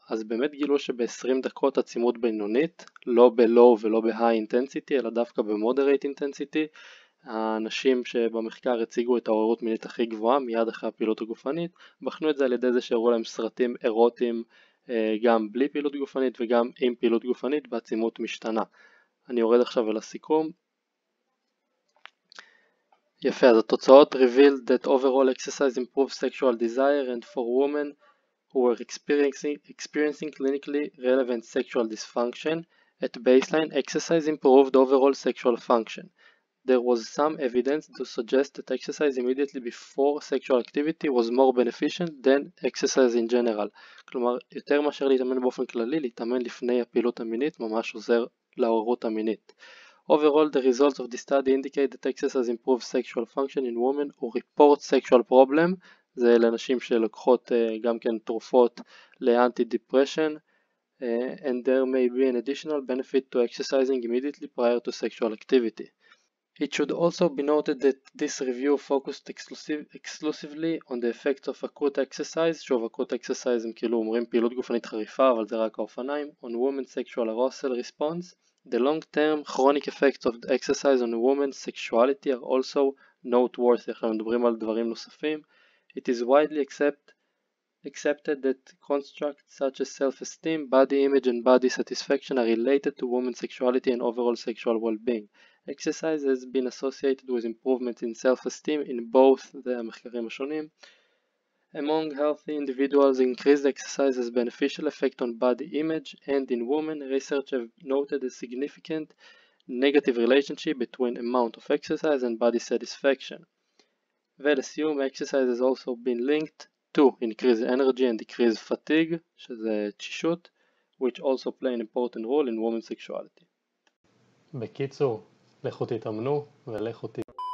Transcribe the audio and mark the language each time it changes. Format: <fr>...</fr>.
<he>אז באמת גילו שב-20 דקות עצימות בינונית, לא ב-low ולא ב-high intensity, אלא דווקא ב-moderate intensity, האנשים שבמחקר הציגו את העוררות מינית הכי גבוהה מיד אחרי הפעילות הגופנית, בחנו את זה על ידי זה שהראו להם סרטים אירוטיים גם בלי פעילות גופנית וגם עם פעילות גופנית בעצימות משתנה. אני יורד עכשיו אל הסיכום. יפה, אז התוצאות</he> <en>revealed that overall exercise improved sexual desire and for women who were experiencing clinically relevant sexual dysfunction at baseline, exercise improved overall sexual function. There was some evidence to suggest that exercise immediately before sexual activity was more beneficial than exercise in general.</en> <he>כלומר, יותר מאשר להתאמן באופן כללי, להתאמן לפני הפעילות המינית ממש עוזר להוררות המינית.</he> <en>Overall, the results of this study indicate that exercise improves sexual function in women who report sexual problem.</en> <he>זה לנשים שלוקחות גם כן תרופות לאנטי-דיפרשן.</he> <en>And there may be an additional benefit to exercising immediately prior to sexual activity. It should also be noted that this review focused exclusively on the effects of acute exercise.</en> <he>שוב, acute exercise הם כאילו אומרים פעילות גופנית חריפה, אבל זה רק האופניים.</he> <en>On women's sexual arousal response. The long-term chronic effects of the exercise on a woman's sexuality are also noteworthy.</en> <he>אנחנו מדברים על דברים נוספים.</he> <en>It is widely accepted that constructs such as self-esteem, body image and body satisfaction are related to women's sexuality and overall sexual well-being. Exercise has been associated with improvements in self-esteem in both the</en> <he>המחקרים השונים.</he> <en>Among healthy individuals, increased exercise has beneficial effect on body image, and in women, research have noted a significant negative relationship between amount of exercise and body satisfaction.</en> <he>ולסיום,</he> <en>exercise has also been linked to increased energy and decreased fatigue,</en> <he>שזה תשישות,</he> <en>which also play an important role in women's sexuality.</en> <he>בקיצור, לכו תתאמנו ולכו תתאמנו.</he>